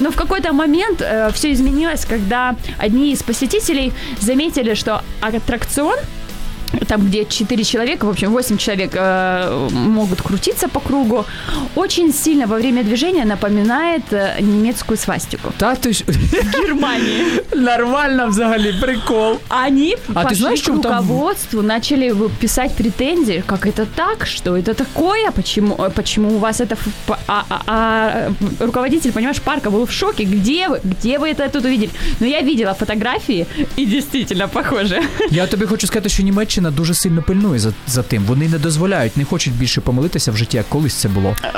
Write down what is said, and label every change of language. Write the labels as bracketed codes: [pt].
[ru] Но в какой-то момент все изменилось, когда одни из посетителей заметили, что аттракцион, там, где 4 человека, в общем, 8 человек могут крутиться по кругу, очень сильно во время движения напоминает немецкую свастику. Да, то есть... В Германии. [uk] Нормально взагалі, прикол. [ru] Они пошли к руководству, начали писать претензии, как это так, что это такое, почему у вас это... А руководитель, понимаешь, парка был в шоке, где вы это тут увидели? Но я видела фотографии, и действительно похоже. [uk] Я тобі хочу сказати, що Німеччина дуже сильно пильнує за тим. Вони не дозволяють, не хочуть більше помилитися в житті, як колись це було.